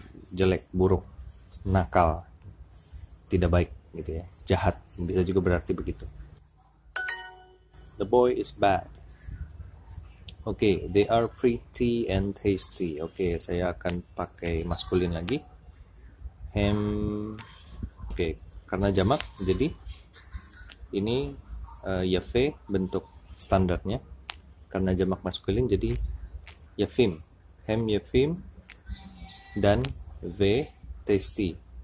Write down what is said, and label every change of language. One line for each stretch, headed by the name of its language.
Indonesian: Jelek, buruk, nakal, tidak baik gitu ya, jahat, bisa juga berarti begitu.
English: The boy is bad. Okay, they are pretty and tasty.
Indonesian: Okay, saya akan pakai maskulin lagi. Hem, okay, karena jamak, jadi ini yafe bentuk standarnya. Karena jamak maskulin, jadi yafim. Hem yafim dan ve tasty.